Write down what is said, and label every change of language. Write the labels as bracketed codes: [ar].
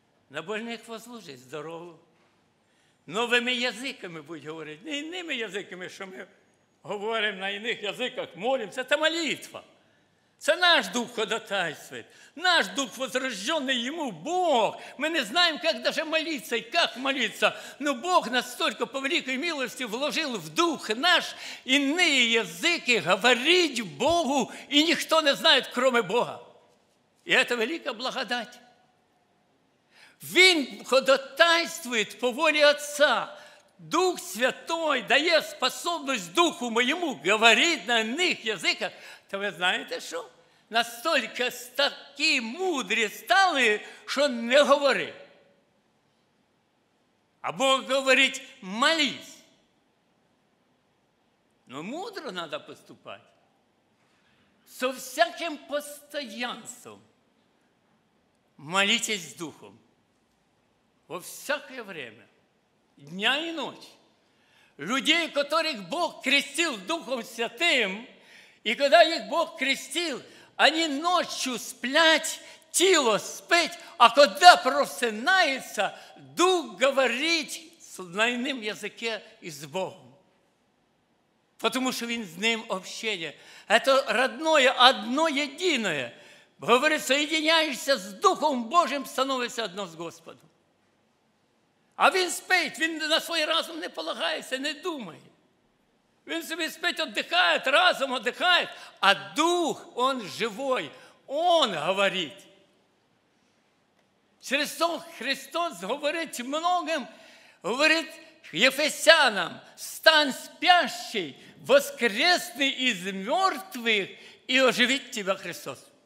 [uk] На больних возложить здорову. Новими язиками будуть говорити. Не іншими язиками, що ми говоримо на інших язиках, молимося. Це молитва. Це наш дух ходатайствует. Наш дух возрожденный йому Бог. Ми не знаємо, як даже молиться і як молиться. Но Бог настолько по великій милості вложив в дух наш іні язики говорить Богу, і ніхто не знає, кроме Бога. І це велика благодать. Він ходатайствует по волі Отца. Дух Святой дає способность духу моєму говорити на них язиках. Та ви знаєте що? Настільки такі мудрі стали, що не говори. А Бог говорить, молись. Ну, мудро треба поступати. Со всяким постоянством молитесь з Духом. Во всяке время, дня і ночі. [ru] Людей, которых Бог крестил Духом Святым, и когда их Бог крестил, [uk] они ночью сплять, тело спить, [ru] а когда просинается, Дух говорит на ином языке и с Богом. Потому что он с ним общение. Это родное, одно единое. Говорит, соединяешься с Духом Божьим, становишься одно с Господом. [uk] А він спить, він на свій разум не полагається, не думає. Він собі спить, віддихає, разом віддихає, а дух, він живий, він говорить. Через то Христос говорить многим, говорить Ефесянам, стань спящий, воскресний із мертвих і оживить тебе Христос.